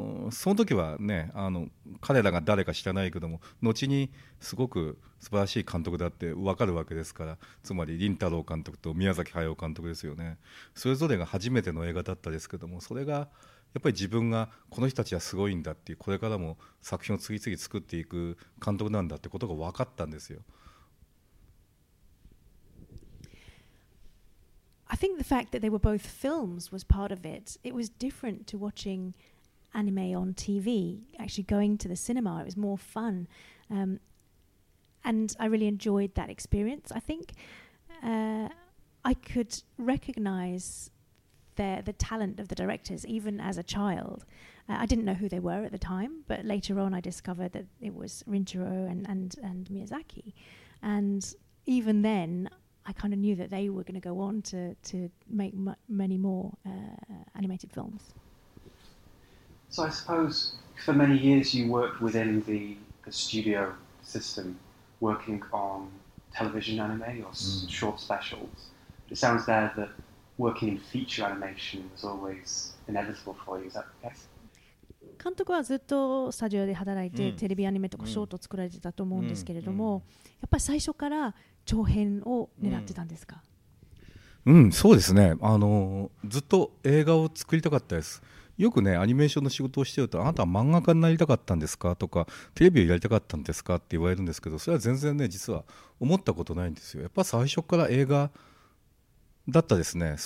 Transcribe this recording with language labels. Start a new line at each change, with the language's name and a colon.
Japanese: その時はね、彼らが誰か知らないけども、後にすごく素晴らしい監督だって分かるわけですから、つまり凛太郎監督と宮崎駿監督ですよね。それぞれが初めての映画だったですけども、それがやっぱり自分がこの人たちはすごいんだっていう、これからも作品を次々作っていく監督なんだってことが分かったんですよ。
English: I think the fact that they were both films was part of it. It was different to watching anime on TV, actually going to the cinema. It was more fun. And I really enjoyed that experience. I think I could recognize the talent of the directors, even as a child. I didn't know who they were at the time, but later on I discovered that it was Rintaro and Miyazaki. And even then, I kind of knew that they were going to go on to make many more animated films. So I suppose for many years you worked within the studio system, working on television anime or short specials. But it sounds there that working in feature animation was always inevitable for you, is that yes?
Japanese: 監督はずっとスタジオで働いて、テレビアニメとかショートを作られてたと思うんですけれども、やっぱり最初から長編を狙ってたんですか？そうですね。ずっと映画を作りたかったです。よくね、アニメーションの仕事をしてると、あなたは漫画家になりたかったんですかとか、テレビをやりたかったんですかって言われるんですけど、それは全然ね、実は思ったことないんですよ。やっぱ最初から映画だったですね。